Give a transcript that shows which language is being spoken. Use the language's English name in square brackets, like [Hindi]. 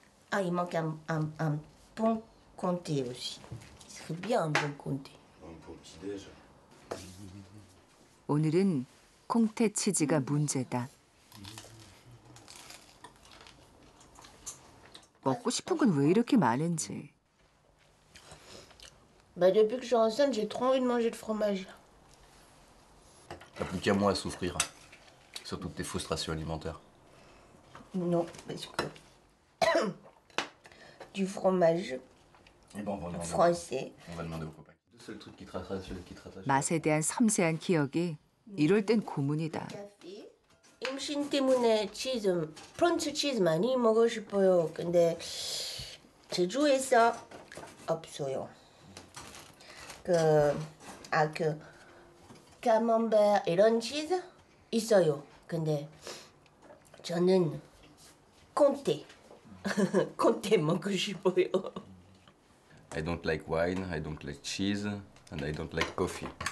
[French] 아, il manque un bon comté aussi. Ce serait bien un bon comté. Un bon petit déj. [Korean] 오늘은 콩테 치즈가 문제다. 먹고 싶은 건 왜 이렇게 많은지. [French] Bah depuis que je suis enceinte, j'ai trop envie de manger de fromage. T'as plus qu'à moi à souffrir sur toutes tes frustrations alimentaires. Non, parce que du fromage français. On va demander aux copains. Le seul truc qui te rassure, [Korean] 맛에 대한 섬세한 기억이 이럴 땐 고문이다. 임신 때문에 치즈, 프렌치 치즈 많이 먹고 싶어요. 근데 제주에서 없어요. 그 카멤베르 이런 치즈 있어요. 근데 저는 콘테, 콘테 먹고 싶어요. [English] I don't like wine, I don't like cheese, and I don't like coffee.